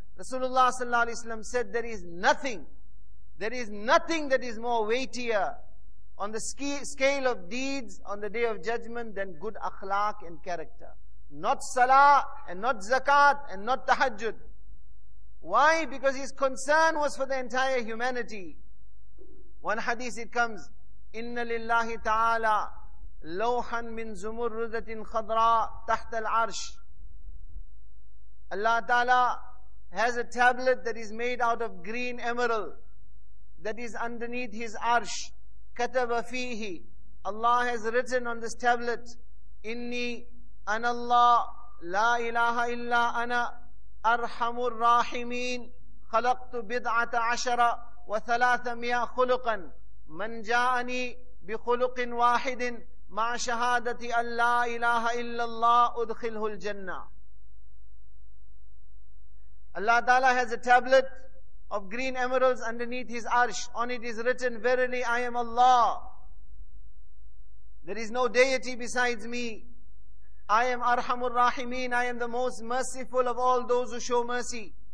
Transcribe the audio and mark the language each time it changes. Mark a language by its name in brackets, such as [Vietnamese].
[English] Rasulullah sallallahu alayhi wa sallam said, there is nothing that is more weightier on the scale of deeds on the day of judgment than good akhlaq and character. Not salah and not zakat and not tahajjud. Why? Because his concern was for the entire humanity. One hadith it comes, [Arabic] إِنَّ لِلَّهِ تَعَالَى لَوْحًا مِنْ زُمُرُّدَةٍ خَضْرَى تَحْتَ الْعَرْشِ. [English] Allah Ta'ala has a tablet that is made out of green emerald that is underneath his arsh. [Arabic] كَتَبَ فِيهِ. [English] Allah has written on this tablet, [Arabic] إِنِّي أَنَ اللَّهِ لَا إِلَهَ إِلَّا أَنَا أَرْحَمُ الرَّاحِمِينَ خَلَقْتُ بِضْعَةَ عَشَرَ وَثَلَاثَمِيَا خُلُقًا مَنْ جَاءَنِي بِخُلُقٍ وَاحِدٍ مَعَ شَهَادَةِ أَنْ لَا إِلَهَ إِلَّا اللَّهِ أُدْخِلْهُ الْجَنَّةِ. [English] Allah Ta'ala has a tablet of green emeralds underneath his arsh. On it is written, verily I am Allah. There is no deity besides me. I am Arhamur Rahimeen. I am the most merciful of all those who show mercy.